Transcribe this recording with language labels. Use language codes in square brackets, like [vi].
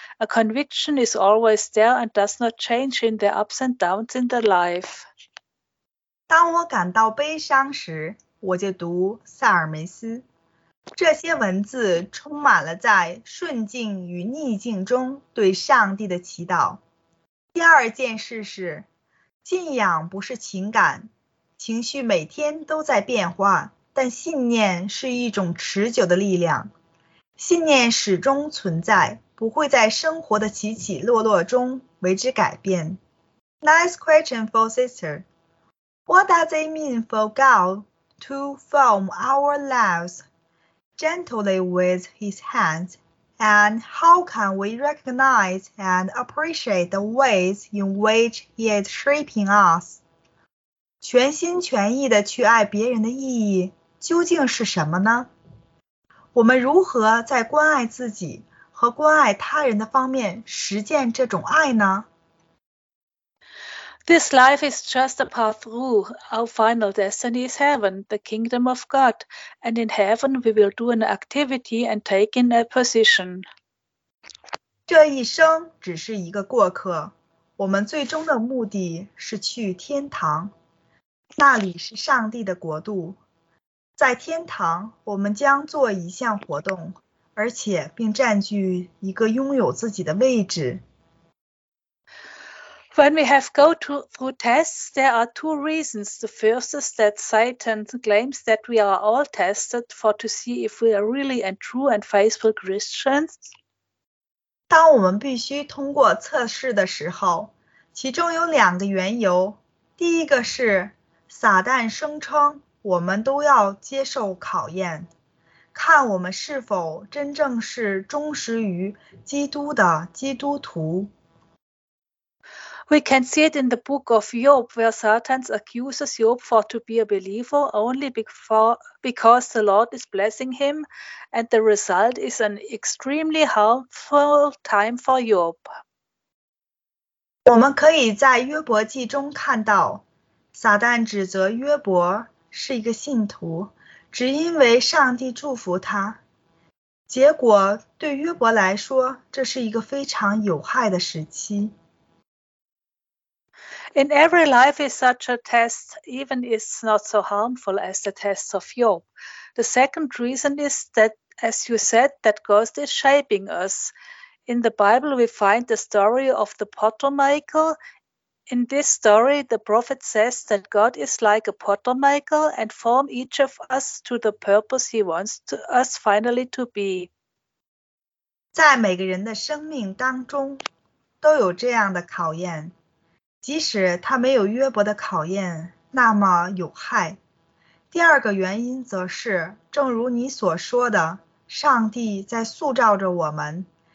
[en] A conviction is always there and does not change in the ups and downs in the life. [zh] 当我感到悲伤时，我就读塞尔梅斯。这些文字充满了在顺境与逆境中对上帝的祈祷。第二件事是，信仰不是情感，情绪每天都在变化，但信念是一种持久的力量。信念始终存在，不会在生活的起起落落中为之改变。 [en] Nice question for sister. What does it mean for God to form our lives gently with his hands? And how can we recognize and appreciate the ways in which he is shaping us? [zh] 全心全意地去爱别人的意义究竟是什么呢？我们如何在关爱自己和关爱他人的方面实践这种爱呢？ [en] This life is just a path through. Our final destiny is heaven, the kingdom of God. And in heaven, we will do an activity and take in a position. [zh] 这一生只是一个过客，我们最终的目的是去天堂，那里是上帝的国度。在天堂，我们将做一项活动，而且并占据一个拥有自己的位置。 [en] When we have go through tests, there are two reasons. The first is that Satan claims that we are all tested for to see if we are really and true and faithful Christians. [zh] 当我们必须通过测试的时候，其中有两个缘由。第一个是撒旦声称我们都要接受考验，看我们是否真正是忠实于基督的基督徒。 [en] We can see it in the book of Job, where Satan accuses Job for to be a believer only because the Lord is blessing him, and the result is an extremely harmful time for Job. [zh] 我们可以在约伯记中看到，撒旦指责约伯是一个信徒，只因为上帝祝福他。结果对约伯来说，这是一个非常有害的时期。 [en] In every life is such a test, even if it's not so harmful as the tests of Job. The second reason is that, as you said, that God is shaping us. In the Bible, we find the story of the potter maker. In this story, the prophet says that God is like a potter maker and form each of us to the purpose he wants to us finally to be. [zh] 在每个人的生命当中都有这样的考验，即使他没有约伯的考验那么有害。第二个原因则是，正如你所说的，上帝在塑造着我们。